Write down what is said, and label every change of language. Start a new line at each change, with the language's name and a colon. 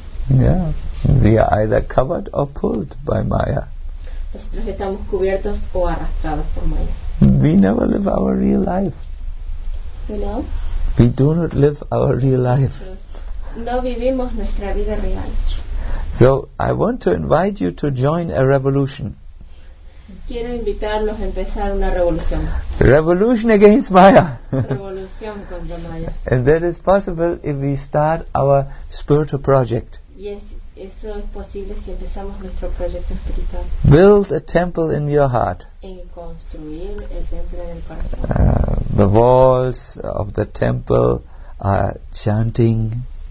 English: Yeah. We are either covered or pulled by Maya.
Spanish: Nosotros estamos cubiertos o arrastrados por Maya.
English: We never live our real life. You know? We do not live our real life.
Spanish: No vivimos nuestra vida real.
English: So I want to invite you to join a revolution.
Spanish: Quiero invitarlos a empezar una revolución.
English: Revolution against Maya.
Spanish: Revolución contra Maya.
English: And that is possible if we start our spiritual project.
Spanish: Yes, eso es posible si empezamos nuestro proyecto espiritual.
English: Build a temple in your heart.
Spanish: En construir el templo en el corazón.
English: The walls of the temple are chanting.